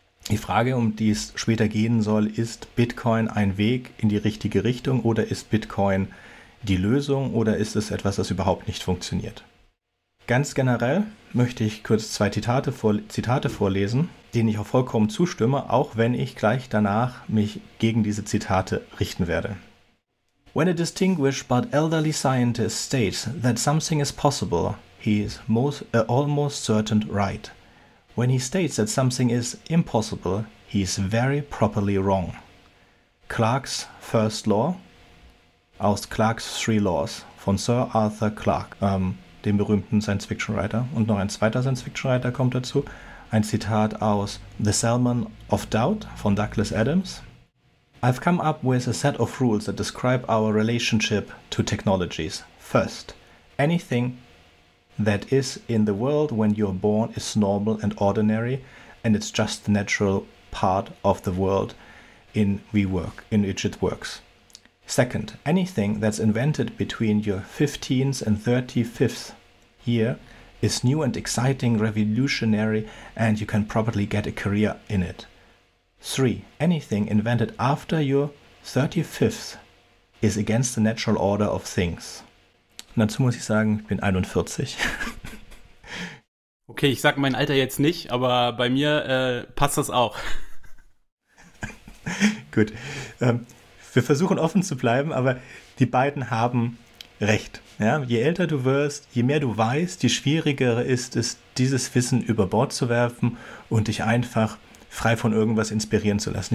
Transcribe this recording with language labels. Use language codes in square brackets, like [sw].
[de] Die Frage, um die es später gehen soll, ist Bitcoin ein Weg in die richtige Richtung oder ist Bitcoin die Lösung oder ist es etwas, das überhaupt nicht funktioniert? Ganz generell möchte ich kurz zwei Zitate vorlesen, denen ich auch vollkommen zustimme, auch wenn ich gleich danach mich gegen diese Zitate richten werde. [en] When a distinguished but elderly scientist states that something is possible, he is almost certain right. When he states that something is impossible, he is very properly wrong. [de] Clarke's First Law aus Clarke's Three Laws von Sir Arthur Clarke, dem berühmten Science-Fiction-Writer. Und noch ein zweiter Science-Fiction-Writer kommt dazu. Ein Zitat aus The Salmon of Doubt von Douglas Adams. [en] I've come up with a set of rules that describe our relationship to technologies. First, anything that is in the world when you're born is normal and ordinary, and it's just the natural part of the world in which it works. Second, anything that's invented between your 15th and 35th year is new and exciting, revolutionary, and you can probably get a career in it. Three, anything invented after your 35th is against the natural order of things. [de] Und dazu muss ich sagen, ich bin 41. Okay, ich sag mein Alter jetzt nicht, aber bei mir passt das auch. Gut. Wir versuchen offen zu bleiben, aber die beiden haben recht. Ja, je älter du wirst, je mehr du weißt, je schwieriger ist es, dieses Wissen über Bord zu werfen und dich einfach frei von irgendwas inspirieren zu lassen.